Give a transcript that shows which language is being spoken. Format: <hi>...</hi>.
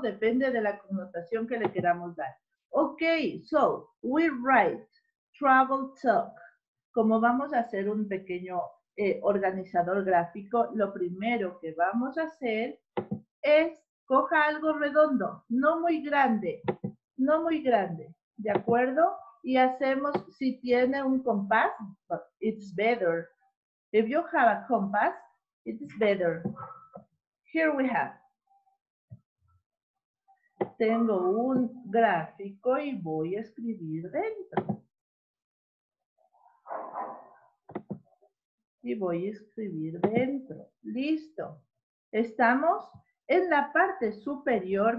<es>Depende de la connotación que le queramos dar.</es> <en>Ok, so, we write travel talk.</en> <es>Como vamos a hacer un pequeño organizador gráfico, lo primero que vamos a hacer es coja algo redondo, no muy grande, no muy grande, ¿de acuerdo? Y hacemos, si tiene un compás,</es> <en>it's better. If you have a compass, it is better. Here we have.</en> <es>Tengo un gráfico y voy a escribir dentro. Y voy a escribir dentro. Listo. Estamos en la parte superior.</es>